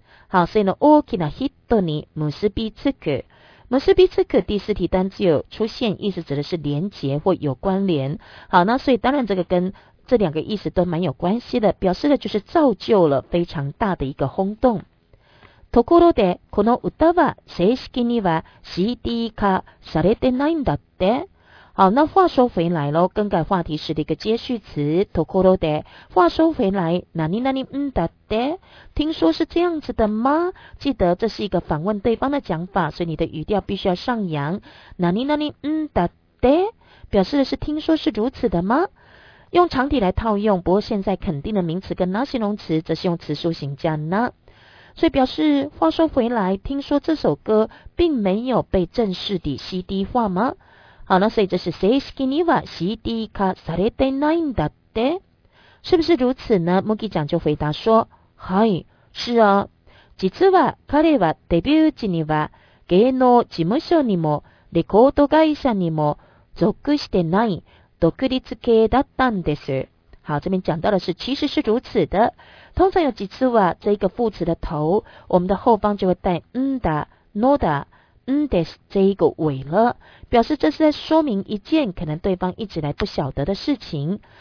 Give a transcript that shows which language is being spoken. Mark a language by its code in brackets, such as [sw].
[zh] 好，所以呢 [ja] 大きなヒットに結びつく，結びつく [zh] 第四题单字有出现，意思指的是连结或有关联。好，那所以当然这个跟这两个意思都蛮有关系的，表示的就是造就了非常大的一个轰动。 [ja] ところで、この歌は正式には CD 化されてないんだって。 [zh] 好，那话说回来咯，更改话题时的一个接续词。 [ja] ところで， [zh] 话说回来， [ja] 何々んだって？ [zh] 听说是这样子的吗？记得这是一个反问对方的讲法，所以你的语调必须要上扬。 [ja] 何々んだって？ [zh] 表示的是听说是如此的吗？用长体来套用，不过现在肯定的名词跟那形容词则是用词数形加呢，所以表示话说回来，听说这首歌并没有被正式的 CD 化吗？好，那所以这是 [ja] 正式には CD 化されてないんだって， [zh] 是不是如此呢？木木讲就回答说， [ja] はい， [zh] 是啊。 [ja] 実は彼はデビュー時には芸能事務所にもレコード会社にも属してない。独立系だったんです。 [zh] 好，这边讲到的是，其实是如此的。通常有几次啊，这个副词的头，我们的后方就会带嗯的、no 的、嗯的这一个尾了，表示这是在说明一件可能对方一直来不晓得的事情。